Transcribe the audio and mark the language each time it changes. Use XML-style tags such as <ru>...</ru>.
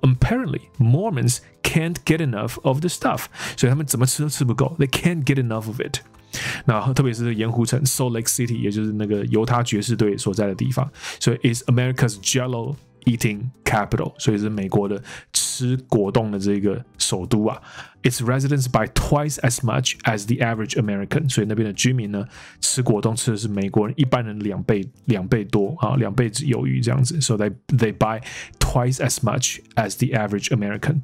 <en>Apparently, Mormons can't get enough of the stuff.</en> <zh>所以他们怎么吃都吃不够。</zh> <en>They can't get enough of it.</en> <zh>那特别是盐湖城 Salt Lake City， 也就是那个犹他爵士队所在的地方。</zh> <en>所以 is America's Jello eating capital.</en> <zh>所以是美国的吃果冻的这个首都啊。</zh> <en>Its residents buy twice as much as the average American.</en> <zh>所以那边的居民呢，吃果冻吃的是美国人一般人两倍多啊，两倍有余这样子。</zh> <en>So they buy twice as much as the average American.</en>